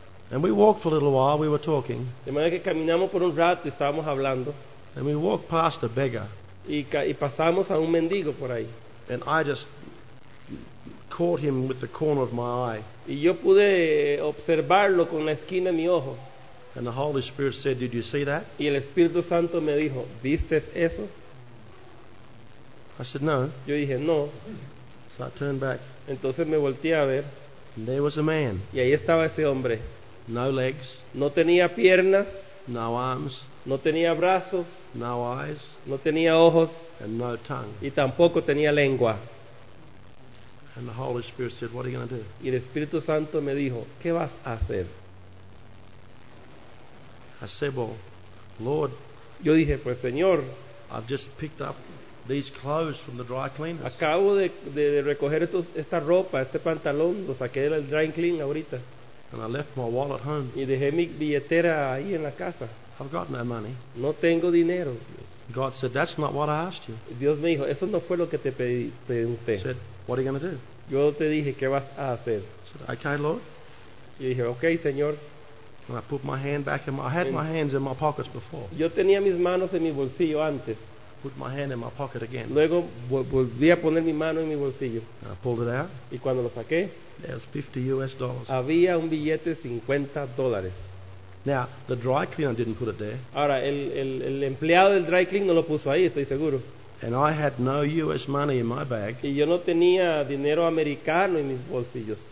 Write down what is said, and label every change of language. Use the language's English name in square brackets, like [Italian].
[English] And we walked for a little while, we were talking. [Spanish] De manera que caminamos por un rato y estábamos hablando. [English] And we walked past a beggar. [Spanish] Y pasamos a un mendigo por ahí. [English] And I just caught him with the corner of my eye. [Spanish] Y yo pude observarlo con la esquina de mi ojo. [English] And the Holy Spirit said, "Did you see that?" [Spanish] Y el Espíritu Santo me dijo, "¿Viste eso?" [English] I said, "No." [Spanish] Yo dije, "No." [English] So I turned back. [Spanish] Entonces me volteé a ver. [English] And there was a man. [Spanish] Y ahí estaba ese hombre. [English] No legs. [Spanish] No tenía piernas. [English] No arms. [Spanish] No tenía brazos. [English] No eyes. [Spanish] No tenía ojos. [English] And no tongue. [Spanish] Y tampoco tenía lengua. [English] And the Holy Spirit said, "What are you going to do?" [Spanish] Y el Espíritu Santo me dijo, "¿Qué vas a hacer?" [English] I said, "Well, Lord." [Spanish] Yo dije, "Pues, Señor." [English] I've just picked up these clothes from the dry cleaners. [Spanish] Acabo de recoger esta ropa, este pantalón, lo saqué del dry clean ahorita. [English] And I left my wallet home. [Spanish] Y dejé mi billetera ahí en la casa. [English] I've got no money. [Spanish] No tengo dinero. [English] God said, "That's not what I asked you." [Spanish] Dios me dijo, "Eso no fue lo que te pregunté." [English] Said, "What are you going to do?" [Spanish] Yo te dije, "¿Qué vas a hacer?" [English] Said, "Okay, Lord." [Spanish] Y dije, "Okay, Señor." [English] And I put my hand back in my. I had my hands in my pockets before. [Spanish] Yo tenía mis manos en mi bolsillo antes. [English] Put my hand in my pocket again. [Spanish] Luego volví a poner mi mano en mi bolsillo. [English] And I pulled it out. [Spanish] Y cuando lo saqué, [English] there was $50. [Spanish] Había un billete de $50. [English] Now, the dry cleaner didn't put it there. [Spanish] Ahora, el empleado del dry clean no lo puso ahí, estoy seguro. [English] And I had no US money in my bag. [Spanish] Y yo no tenía dinero americano en mis bolsillos.